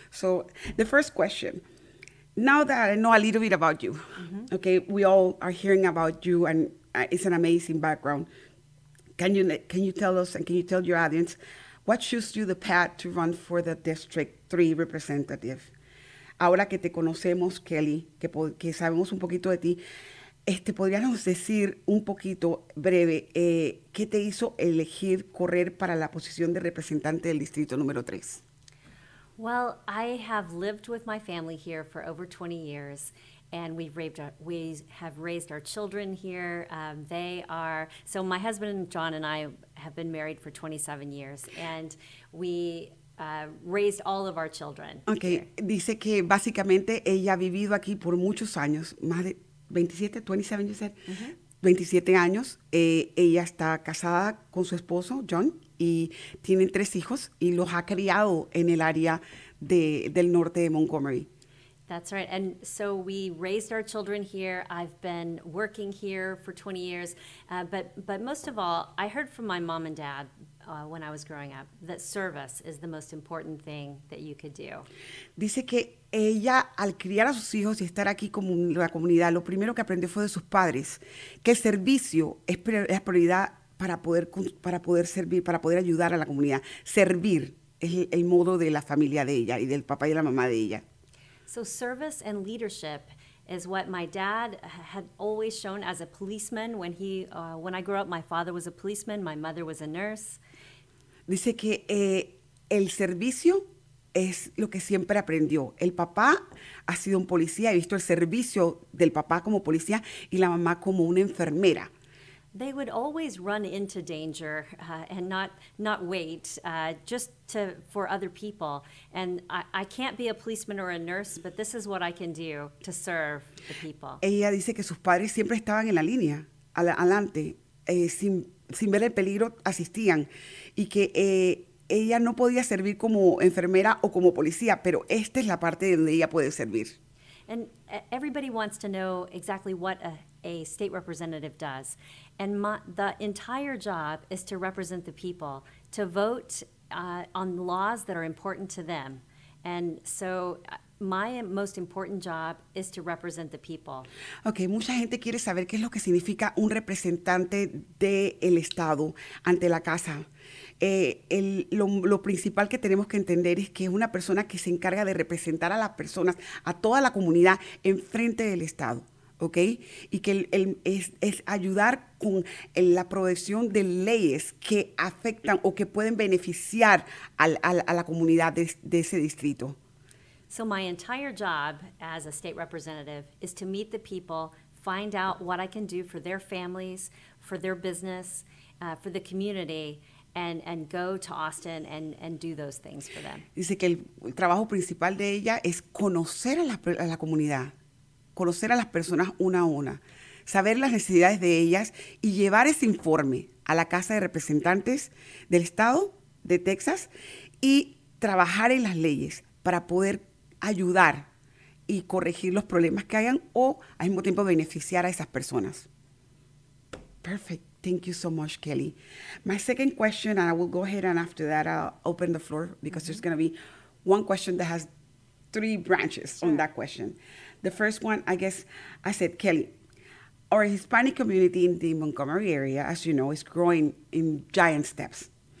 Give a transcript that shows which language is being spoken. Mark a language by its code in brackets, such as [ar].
[en] So the first question, now that I know a little bit about you, mm-hmm. Okay, we all are hearing about you, and it's an amazing background. Can you tell us and can you tell your audience what shows you the path to run for the District 3 representative? [es] Ahora que te conocemos, Kelly, que sabemos un poquito de ti, ¿podríamos decir un poquito breve qué te hizo elegir correr para la posición de representante del distrito número 3? [en] Well, I have lived with my family here for over 20 years, and we have raised our children here. So my husband John and I have been married for 27 years, and we raised all of our children. Okay, here. [es] Dice que básicamente ella ha vivido aquí por muchos años, más de 27, [en] you said? [es] Mm-hmm. 27 años. Ella está casada con su esposo, John, y tienen tres hijos, y los ha criado en el área del norte de Montgomery. [en] That's right. And so we raised our children here. I've been working here for 20 years. But most of all, I heard from my mom and dad when I was growing up that service is the most important thing that you could do. [es] Dice que ella, al criar a sus hijos y estar aquí como en la comunidad, lo primero que aprendió fue de sus padres, que el servicio es prioridad para poder servir, para poder ayudar a la comunidad. Servir es el modo de la familia de ella y del papá y de la mamá de ella. [en] So service and leadership is what my dad had always shown as a policeman. When I grew up, my father was a policeman, my mother was a nurse. [es] Dice que el servicio es lo que siempre aprendió. El papá ha sido un policía, he visto el servicio del papá como policía y la mamá como una enfermera. [en] They would always run into danger and not wait for other people. And I can't be a policeman or a nurse, but this is what I can do to serve the people. [es] Ella dice que sus padres siempre estaban en la línea, adelante, sin ver el peligro, asistían. Y que ella no podía servir como enfermera o como policía, pero esta es la parte donde ella puede servir. [en] And everybody wants to know exactly what a state representative does. And the entire job is to represent the people, to vote on laws that are important to them. And so my most important job is to represent the people. [es] Okay, mucha gente quiere saber qué es lo que significa un representante del estado ante la casa. Lo principal que tenemos que entender es que es una persona que se encarga de representar a las personas, a toda la comunidad, en frente del estado. Okay, y que es ayudar con la aprobación de leyes que afectan o que pueden beneficiar a la comunidad de ese distrito. [en] So my entire job as a state representative is to meet the people, find out what I can do for their families, for their business, for the community, and go to Austin and do those things for them. [es] Dice que el trabajo principal de ella es conocer a la comunidad. Conocer a las personas una a una, saber las necesidades de ellas y llevar ese informe a la Casa de Representantes del Estado de Texas y trabajar en las leyes para poder ayudar y corregir los problemas que hayan o al mismo tiempo beneficiar a esas personas. [en] Perfect. Thank you so much, Kelly. My second question, and I will go ahead and after that I'll open the floor because mm-hmm. there's going to be one question that has three branches sure. on that question. The first one, I guess, I said, Kelly, our Hispanic community in the Montgomery area, as you know, is growing in giant steps.